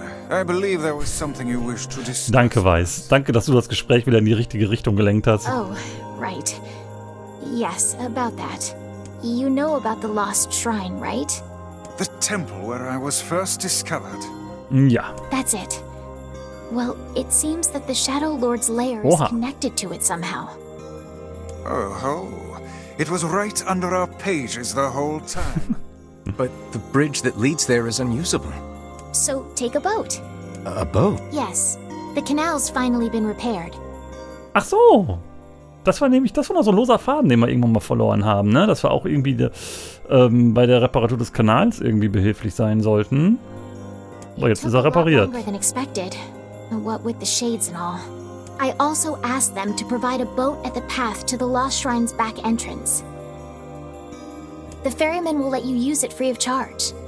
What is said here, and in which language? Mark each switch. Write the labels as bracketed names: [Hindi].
[English] I believe there was something you wished to discuss. [German] Danke, Weiss. Danke, dass du das Gespräch wieder in die richtige Richtung gelenkt hast. [English] Oh, right. Yes, about that. You know about the lost shrine, right? The temple where I was first discovered. [German] Ja. [English] That's it. Well, it seems that the Shadow Lord's lair is connected to it somehow. Oh, ho. It was right under our pages the whole time. But the bridge that leads there is unusable. So, take a boat. A boat? Yes. The canal's finally been repaired. [German] Ach so. Das war noch so ein loser Faden, den wir irgendwann mal verloren haben, ne? Dass wir auch irgendwie bei der Reparatur des Kanals irgendwie behilflich sein sollten. Aber jetzt ist er repariert. [English] Longer than expected. What with the shades and all. I also asked them to provide a boat at the path to the Lost Shrine's back entrance. The ferryman will let you use it free of charge.